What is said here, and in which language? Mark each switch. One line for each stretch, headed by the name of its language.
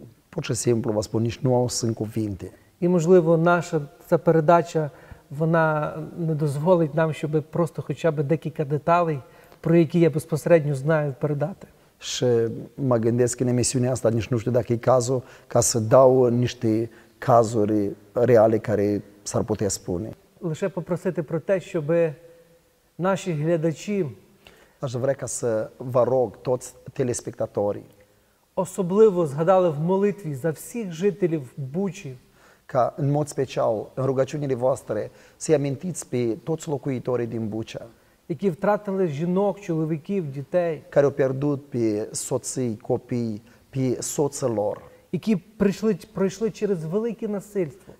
Romanian: Pur și simplu vă spun, nici nu au sunt cuvinte.
Ukrainian: І можливо, наша ця передача, вона не дозволить нам, щоб просто хоча б декілька деталей, про які я безпосередньо знаю, передати.
Romanian: Și mă gândesc în emisiunea asta, nici nu știu dacă e cazul, ca să dau niște cazuri reale care s-ar putea spune.
Ukrainian: Лише попросити про те, щоб наші глядачі,
Romanian: аж врека се ворог тот телеспектаторі,
Ukrainian: особливо згадали в молитві за всіх жителів Бучі,
Romanian: ca în mod special în rugăciunile voastre să-i amintiți pe toți locuitorii din Bucea,
Ukrainian: які втратили жінок, чоловіків, дітей,
Romanian: care au pierdut pe soții, copii, pe soții lor,
Ukrainian: які пройшли через велике насильство,